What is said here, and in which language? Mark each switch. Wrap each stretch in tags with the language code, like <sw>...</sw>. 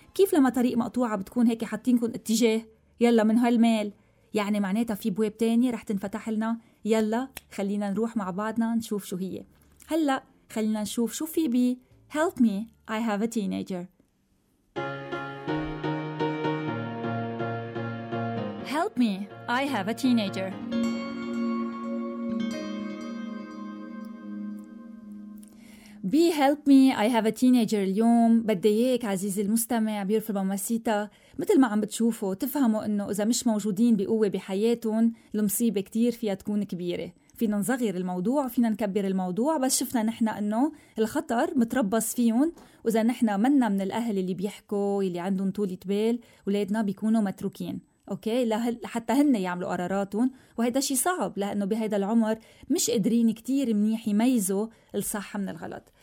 <ar>كيف لما طريق مقطوعة بتكون هيك حاطينكن اتجاه يلا من هالمال، يعني معناتها في بواب تانية رح تنفتح لنا. يلا خلينا نروح مع بعضنا نشوف شو هي. هلا خلينا نشوف شو في بي</ar> <en>Help me, I have a teenager. Help me, I have a teenager. Be help me, I have a teenager.</en> <ar>اليوم بدي اياك عزيزي المستمع بيرفل ماماسيتا مثل ما عم بتشوفوا تفهموا انه اذا مش موجودين بقوة بحياتهم المصيبة كتير فيها تكون كبيرة. فينا نصغر الموضوع، فينا نكبر الموضوع، بس شفنا نحن انه الخطر متربص فيهم، واذا نحن منا من الاهل اللي بيحكوا اللي عندهم طولة بال ولادنا بيكونوا متروكين، اوكي، لحتى هن يعملوا قراراتهم، وهذا شيء صعب لانه بهذا العمر مش قادرين كتير منيح يميزوا الصح من الغلط.</ar>